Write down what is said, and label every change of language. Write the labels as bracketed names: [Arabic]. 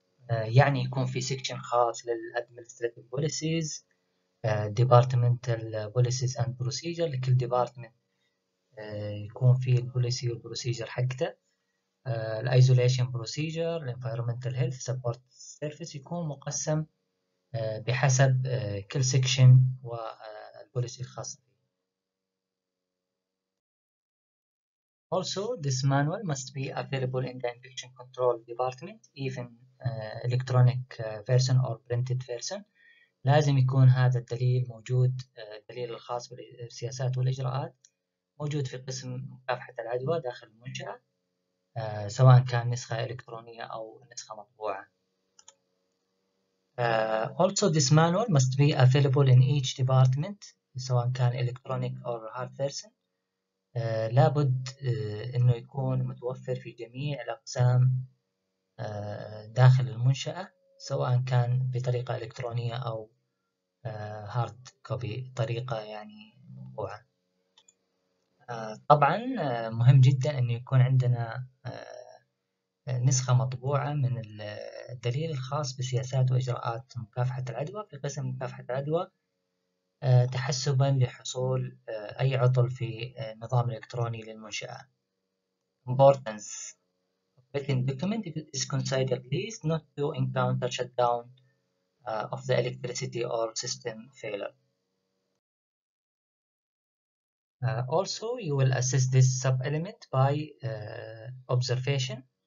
[Arabic] يعني يكون في سيكشن خاص للادمنستريتيف بوليسيز، [English] departmental policies and procedure, [Arabic] لكل ديبارتمنت يكون في البوليسي والبروسيجر حقته. [English] الايزوليشن بروسيجر، الانفايرمنتال health sport service, [Arabic] يكون مقسم بحسب كل سيكشن والبوليسي الخاص. [English] Also, this manual must be available in the infection control department, even electronic version or printed version. [Arabic] لازم يكون هذا الدليل موجود، الدليل الخاص بالسياسات والإجراءات، موجود في قسم مكافحة العدوى داخل المنشأة، سواء كان نسخة إلكترونية أو نسخة مطبوعة. [English] Also, this manual must be available in each department, [Arabic] سواء كان [English] electronic or hard version. [Arabic] لابد انه يكون متوفر في جميع الاقسام داخل المنشأة، سواء كان بطريقة الكترونية او هارد كوبي، طريقة يعني مطبوعة. طبعا مهم جدا انه يكون عندنا نسخة مطبوعة من الدليل الخاص بسياسات واجراءات مكافحة العدوى في قسم مكافحة العدوى، تحسبا لحصول أي عطل في نظام إلكتروني للمنشأة. [English] Importance of written document is considered least not to encounter shutdown of the electricity or system failure. Also, you will assess this sub-element by observation.